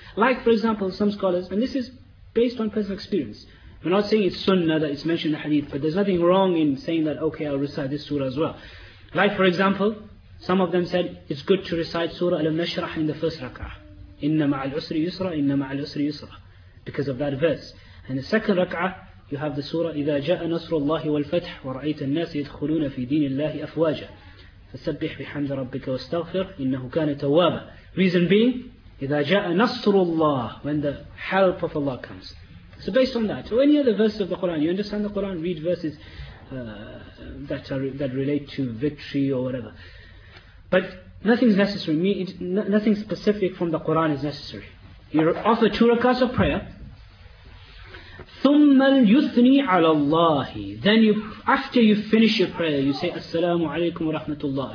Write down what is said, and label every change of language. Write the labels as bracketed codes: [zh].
[en] Like for example, some scholars, and this is based on personal experience, we're not saying it's sunnah that it's mentioned in the hadith, but there's nothing wrong in saying that, okay, I'll recite this surah as well. Like for example, some of them said, it's good to recite surah Al-Nashrah in the first rak'ah. [ar] Inna ma'al usri yusra, inna ma'al usri yusra. [en] Because of that verse. And the second rak'ah, you have the surah, [ar] إِذَا جَاءَ نَصْرُ اللَّهِ وَالْفَتْحِ وَرَأَيْتَ النَّاسِ يَدْخُلُونَ فِي دِينِ اللَّهِ أَفْوَاجًا فَسَبِّحْ بِحَمْدَ رَبِّكَ وَاسْتَغْفِرْ إِنَّهُ كَانَ تَوَّابًا [en] Reason being, [ar] إِذَا جَاءَ نَصْرُ اللَّهِ [en] When the help of Allah comes. So based on that, or any other verse of the Quran, you understand the Quran, read verses that relate to victory or whatever. But nothing's necessary. Nothing specific from the Quran is necessary. You offer two rakats of prayer. [ar] ثُمَّ الْيُثْنِي عَلَى اللَّهِ [en] Then you, after you finish your prayer, you say, Assalamu alaikum wa rahmatullah.